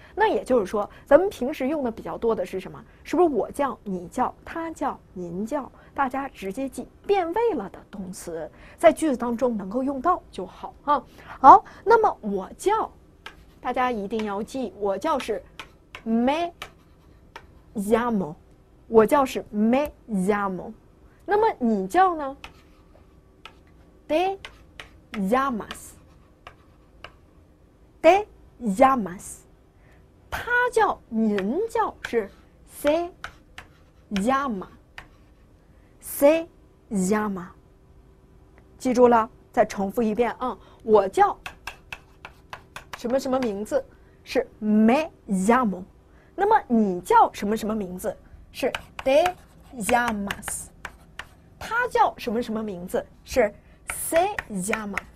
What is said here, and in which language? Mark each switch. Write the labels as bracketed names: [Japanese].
[Chinese] 那也就是说，咱们平时用的比较多的是什么？是不是我叫、你叫、他叫、您叫？大家直接记变位了的动词，在句子当中能够用到就好哈。好，那么我叫，大家一定要记，我叫是。 [Spanish] Me llamo， 我叫是 me llamo， 那么你叫呢 ？Te llamas， te llamas? 他叫，您叫是 se llama, se llama。 [Chinese] 记住了，再重复一遍啊，我叫什么什么名字是 [Spanish] me llamo。 [Chinese] 那么你叫什么什么名字是 [Spanish] te llamas。 [Chinese] 他叫什么什么名字是 [Spanish] se llama。